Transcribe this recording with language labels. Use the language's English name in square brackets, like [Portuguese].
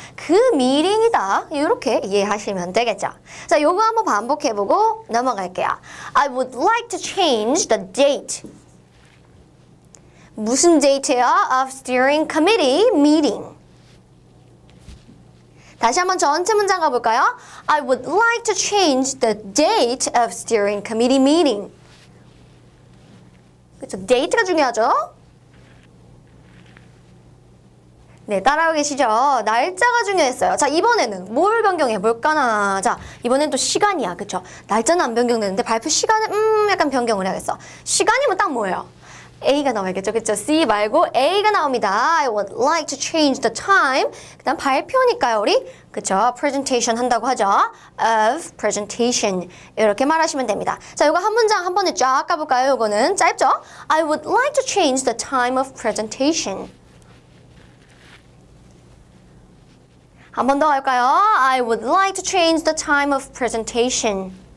[Korean] 그 meeting이다 이렇게 이해하시면 되겠죠. 자, 요거 한번 반복해보고 넘어갈게요. [English] I would like to change the date. [Korean] 무슨 date예요? [English] Of steering committee meeting. [Korean] 다시 한번 전체 문장 가볼까요? [English] I would like to change the date of steering committee meeting. [Korean] 그렇죠. 데이트가 중요하죠. 네, 따라오고 계시죠? 날짜가 중요했어요. 자, 이번에는 뭘 변경해 볼까나. 자, 이번엔 또 시간이야. 그쵸? 날짜는 안 변경되는데 발표 시간은 약간 변경을 해야겠어. 시간이면 딱 뭐예요? A가 나와야겠죠? 그쵸? C 말고 A가 나옵니다. [English] I would like to change the time. [Korean] 그 다음 발표니까요, 우리. 그쵸? Presentation 한다고 하죠? Of presentation. 이렇게 말하시면 됩니다. 자, 이거 한 문장 한 번에 쫙 가볼까요? 이거는 짧죠? [English] I would like to change the time of presentation. [Korean] 한 번 더 할까요? [English] I would like to change the time of presentation.